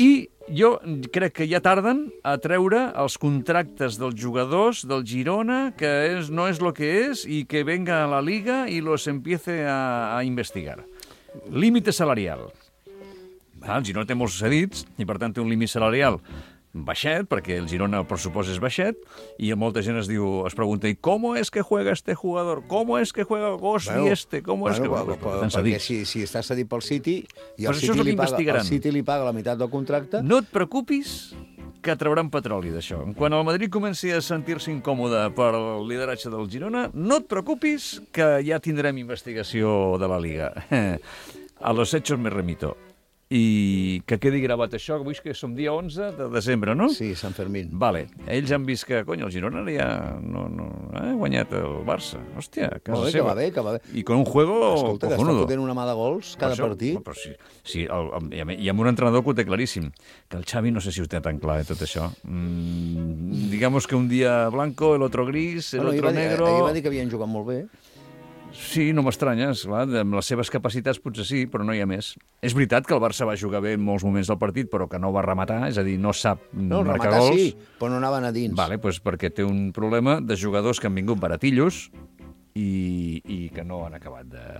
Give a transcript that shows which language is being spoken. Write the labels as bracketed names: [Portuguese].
[Catalan] I jo crec que ja tarden a treure els contractes dels jugadors del Girona, que no és el que és, i que venga a la Liga [Spanish] y los empiece a investigar. [Catalan] Límite salarial. El Girona té molts cedits i, per tant, té un límit salarial baixet, perquè el Girona, el pressupost és baixet, i molta gent es pregunta [Spanish] ¿cómo es que juega este jugador? ¿Cómo es que juega Gosby este? [Catalan] Si està cedit pel City, i el City li paga la meitat del contracte... No et preocupis que trauran petroli d'això. Quan el Madrid comenci a sentir-se incòmode per el lideratge del Girona, no et preocupis que ja tindrem investigació de la Liga. [Spanish] A los hechos me remito. [Catalan] I que quedi gravat això, que avui som dia 11 de desembre, no? Sí, Sant Fermín. Vale. Ells han vist que, cony, el Girona ja ha guanyat el Barça. Hòstia, casa seva. Que va bé. [Spanish] I con un juego... [Catalan] Escolta, que està fotent una mà de gols cada partit. Però sí, amb un entrenador que ho té claríssim, que el Xavi no sé si ho té tan clar, tot això. [Spanish] Digamos que un dia blanco, el otro gris, el otro negro... [Catalan] Ahir va dir que havien jugat molt bé. Sí, no m'estranyes, clar, amb les seves capacitats potser sí, però no hi ha més. És veritat que el Barça va jugar bé en molts moments del partit, però que no va rematar, és a dir, no sap marcar gols. No, rematar sí, però no anaven a dins. Vale, doncs perquè té un problema de jugadors que han vingut baratillos i que no han acabat de...